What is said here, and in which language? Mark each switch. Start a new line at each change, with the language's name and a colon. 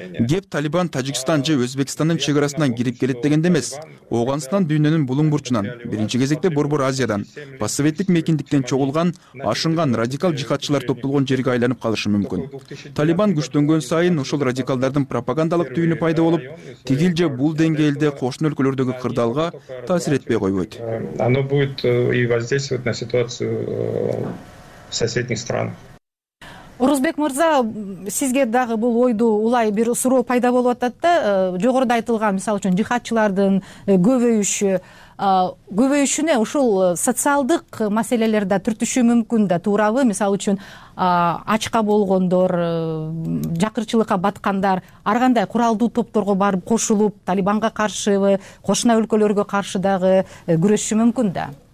Kyrgyz: Кеп Талибан Тажикстан же Өзбекстандын чек арасынан кирип келет дегенде эмес, Ооганстан дүйнөнүн булуң бурчунан, биринчи кезекте Борбор Азиядан, постсоветтик мекиндиктен чогулган, ашынган радикал жихатчылар топтолгон жерге айланып калышы мүмкүн. Талибан күчтөнгөн сайын ошол радикалдардын пропагандалык түйүнү пайда болуп, тигил же бул деңгээлде кошуна өлкөлөрдөгү кырдаалга таасир этпей койбойт.
Russian: Оно будет и воздействовать на ситуацию соседних стран.
Kyrgyz: Орозбек Мырза, сизге дагы бул ойду улай бир суроо пайда болуп атат да, жогоруда айтылган мисалы үчүн жихатчылардын көбөйүшү, көбөйүшүнө ушул социалдык маселелер да түртүшү мүмкүн да, туурабы? Мисалы үчүн ачка болгондор, жакырчылыкка баткандар ар кандай куралдуу топторго барып кошулуп, Талибанга каршыбы, кошуна өлкөлөргө каршы дагы күрөшүшү мүмкүн да?